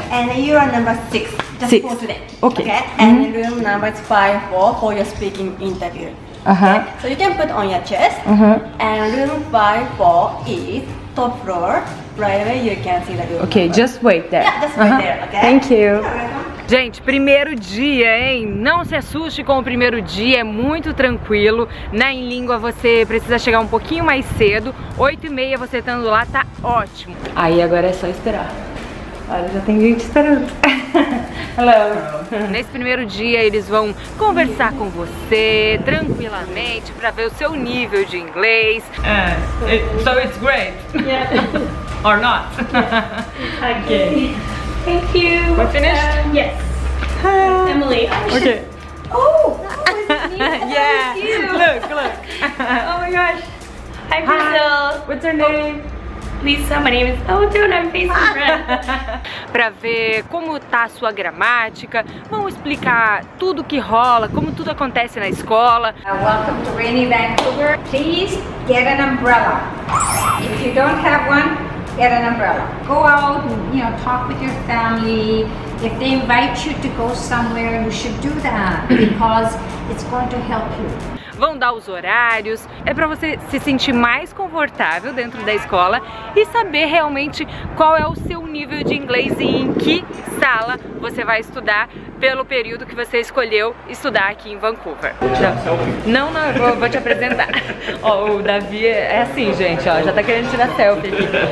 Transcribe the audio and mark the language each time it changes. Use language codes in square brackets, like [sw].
[en] And you are number six. Just six. For today. Okay. Okay. And room number is 54 for your speaking interview. Okay. So you can put on your chest. And room 54 is top floor. Right away you can see the room. Okay, number. Just wait there. Yeah, just wait there, okay? Thank you. [pt] Gente, primeiro dia, hein? Não se assuste com o primeiro dia, é muito tranquilo. Na Inlíngua você precisa chegar um pouquinho mais cedo. 8h30 você estando lá, tá ótimo. Aí agora é só esperar. Olha, já tem gente esperando. [en] Hello. [pt] Nesse primeiro dia eles vão conversar com você tranquilamente pra ver o seu nível de inglês. [en] So it's great. Yeah. Or not. Okay. Thank you. Hi. Emily. Oh, okay. Oh, it's me. Yeah. It's you. Look, look. Oh my gosh. Hi, Crystal. What's your name? Lisa, my name is Dona, I'm Facebook friend. [pt] Pra ver como tá a sua gramática, vamos explicar tudo que rola, como tudo acontece na escola. [en] Welcome to rainy Vancouver. Please get an umbrella. If you don't have one, get an umbrella. Go out and, you know, talk with your family. If they invite you to go somewhere, you should do that because it's going to help you. [pt] Vão dar os horários, é pra você se sentir mais confortável dentro da escola e saber realmente qual é o seu nível de inglês e em que sala você vai estudar pelo período que você escolheu estudar aqui em Vancouver. Não, não, vou te apresentar. Ó, o Davi é assim, gente, ó, já tá querendo tirar selfie aqui.